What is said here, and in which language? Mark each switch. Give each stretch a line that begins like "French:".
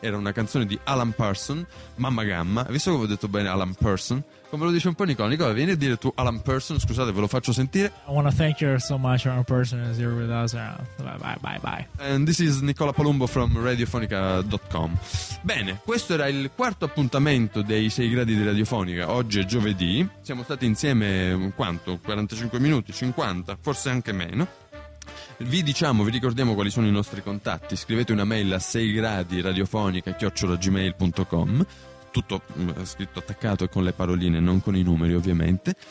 Italian: Era una canzone di Alan Parson, Mamma Gamma. Visto che ho detto bene Alan Parson, come lo dice un po' Nicola, vieni a dire tu Alan Parson. Scusate, ve lo faccio sentire.
English: I want to thank you so much, Alan Parson, is here with us. Bye. And this is Nicola Palumbo from radiofonica.com.
Italian: Bene, questo era il quarto appuntamento dei 6 gradi di Radiofonica. Oggi è giovedì, siamo stati insieme quanto? 45 minuti? 50, forse anche meno. Vi ricordiamo quali sono i nostri contatti. Scrivete una mail a 6gradiradiofonica@gmail.com, tutto scritto attaccato e con le paroline, non con i numeri ovviamente.